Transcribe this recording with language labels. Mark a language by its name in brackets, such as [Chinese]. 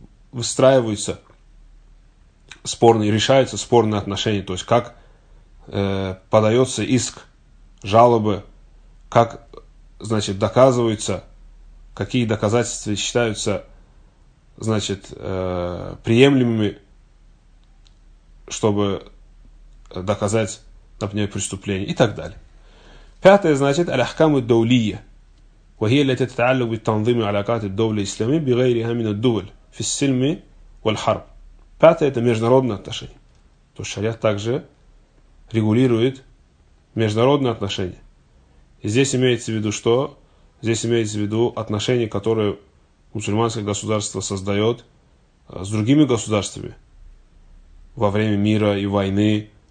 [Russian] выстраиваются спорные, решаются спорные отношения, то есть как подается иск, жалобы, как, значит, доказываются, какие доказательства считаются, значит, приемлемыми, чтобы доказать, например, преступление и так далее. Пятое, значит, аль-ахкаму ад-даулия. [Arabic] وهي التي تتعلق بالتنظيم علاقات الدولة الإسلامية بغيرها من الدول في السلم والحرب. [Russian] Пятое – это международные отношения. То есть шариат также регулирует международные отношения. И здесь имеется в виду что? Здесь имеется в виду отношения, которые мусульманское государство создает с другими государствами во время мира и войны.